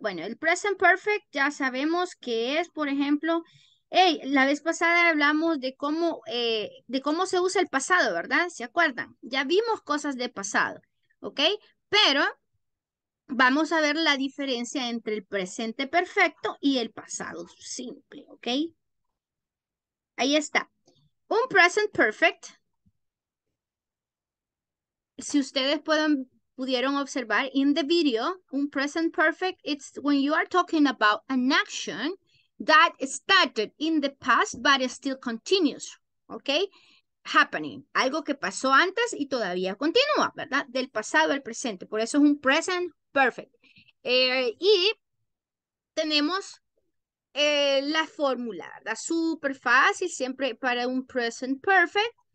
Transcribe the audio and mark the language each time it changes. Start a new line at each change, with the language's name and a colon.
Spanish: Bueno, el present perfect ya sabemos que es, por ejemplo, hey, la vez pasada hablamos de cómo se usa el pasado, ¿verdad? ¿Se acuerdan? Ya vimos cosas de pasado, ¿ok? Pero vamos a ver la diferencia entre el presente perfecto y el pasado simple, ¿ok? Ahí está.
English: Un present perfect,
Spanish: si ustedes pudieron observar
English: in the video, un present perfect, it's when you are talking about an action that started in the past but still continues, okay?
Spanish: Happening, algo que pasó antes y todavía continúa, ¿verdad? Del pasado al presente, por eso es un present perfect. Y tenemos la fórmula, ¿verdad? Súper fácil, siempre para un present perfect.